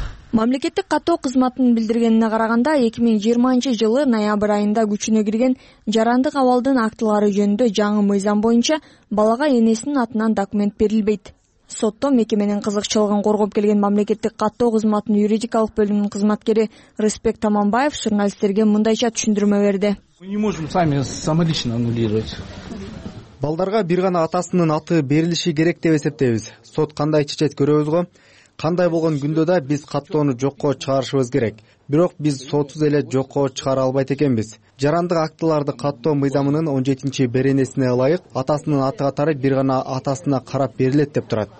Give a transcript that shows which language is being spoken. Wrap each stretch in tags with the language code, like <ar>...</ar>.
<ky>Мамлекеттик каттоо кызматынын билдиргенине караганда, 2020 жылы ноябрь айында күчүнө кирген жарандык абалдын актылары жөнүндө жаңы мыйзам боюнча балага энесинин атынан документ берилбейт. Сотто мекеменин кызыкчылыгын коргоп келген мамлекеттик каттоо кызматынын юридикалык бөлүмүнүн кызматкери Рыспек Таманбаев журналисттерге мындайча түшүндүрмө берди.</ky> <ru>Мы не можем сами самолично аннулировать.</ru> <ky>Балдарга бир гана атасынын аты берилиши керек деп эсептейбиз. Сот кандай чечет көрөбүз го? Кандай болгон күндө да биз каттоону жокко чыгарышыбыз керек. Бирок биз сотсуз эле жокко чыгара албайт экенбиз. Жарандык актыларды каттоо мыйзамынын 17-чи беренесине ылайык, атасынын аты катары бир гана атасына карап берилет деп турат.</ky>